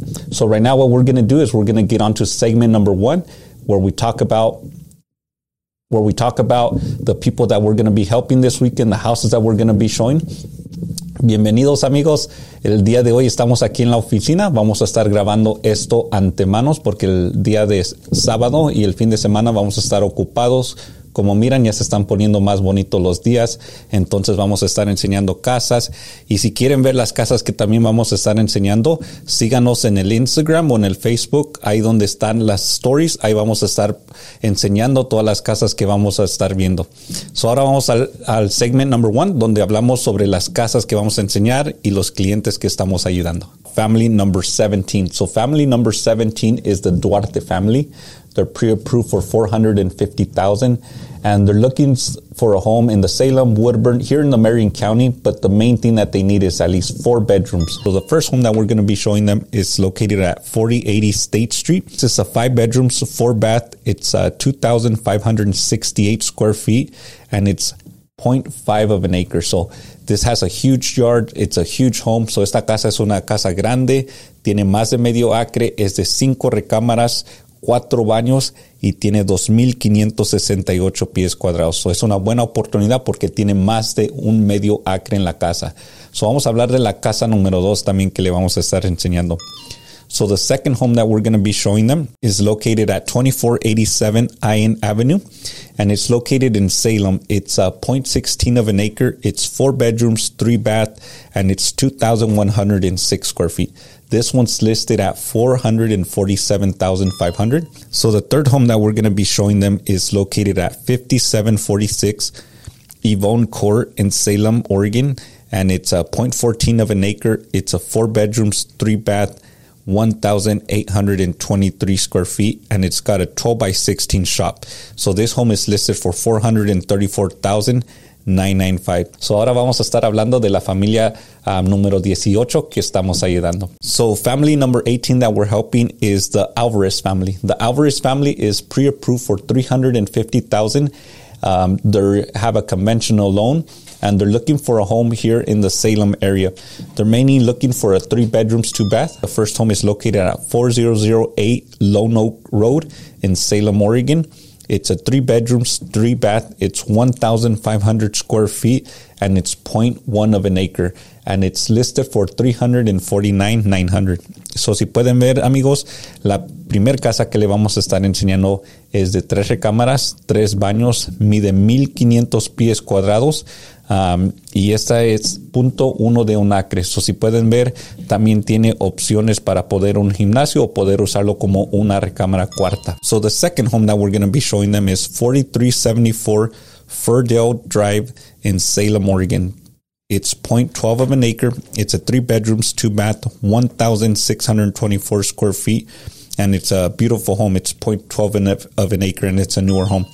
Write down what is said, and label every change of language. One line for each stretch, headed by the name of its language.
English: So right now, what we're going to do is we're going to get onto segment number one, where we talk about the people that we're going to be helping this weekend, the houses that we're going to be showing.
Spanish: Bienvenidos, amigos. El día de hoy estamos aquí en la oficina. Vamos a estar grabando esto antemanos porque el día de sábado y el fin de semana vamos a estar ocupados. Como miran, ya se están poniendo más bonitos los días. Entonces vamos a estar enseñando casas. Y si quieren ver las casas que también vamos a estar enseñando, síganos en el Instagram o en el Facebook. Ahí donde están las stories, ahí vamos a estar enseñando todas las casas que vamos a estar viendo. So ahora vamos al
English: segment number one,
Spanish: donde hablamos sobre las casas que vamos a enseñar y los clientes que estamos ayudando.
English: Family number 17. So family number 17 is the Duarte family. They're pre-approved for $450,000, and they're looking for a home in the Salem, Woodburn, here in the Marion County, but the main thing that they need is at least four bedrooms. So the first home that we're going to be showing them is located at 4080 State Street. This is a five bedrooms, four bath. It's 2,568 square feet, and it's 0.5 of an acre. So this has a huge yard. It's a huge home. So
Spanish: esta casa es una casa grande. Tiene más de medio acre. Es de cinco recámaras, cuatro baños y tiene 2,568 pies cuadrados. So es una buena oportunidad porque tiene más de un medio acre en la casa. So vamos a hablar de la casa número dos también que le vamos a estar enseñando.
English: So the second home that we're going to be showing them is located at 2487 Ian Avenue, and it's located in Salem. It's a 0.16 of an acre. It's four bedrooms, three bath, and it's 2,106 square feet. This one's listed at $447,500. So the third home that we're going to be showing them is located at 5746 Yvonne Court in Salem, Oregon. And it's a 0.14 of an acre. It's a four bedrooms, three bath, 1,823 square feet. And it's got a 12 by 16 shop. So this home is listed for $434,995.
Spanish: So ahora vamos a estar hablando de la familia número 18 que estamos ayudando.
English: So family number 18 that we're helping is the Alvarez family. The Alvarez family is pre-approved for $350,000. They have a conventional loan and they're looking for a home here in the Salem area. They're mainly looking for a three bedrooms, two bath. The first home is located at 4008 Lone Oak Road in Salem, Oregon. It's a three bedrooms, three bath. It's 1,500 square feet and it's 0.1 of an acre. And it's listed for $349,900.
Spanish: So si pueden ver, amigos, la primer casa que le vamos a estar enseñando es de tres recámaras, tres baños, mide 1,500 pies cuadrados. Y esta es 0.1 de un acre. So si pueden ver, también tiene opciones para poder un gimnasio o poder usarlo como una recámara cuarta.
English: So the second home that we're going to be showing them is 4374 Ferdale Drive in Salem, Oregon. It's 0.12 of an acre. It's a three bedrooms, two bath, 1,624 square feet. And it's a beautiful home. It's 0.12 of an acre and it's a newer home.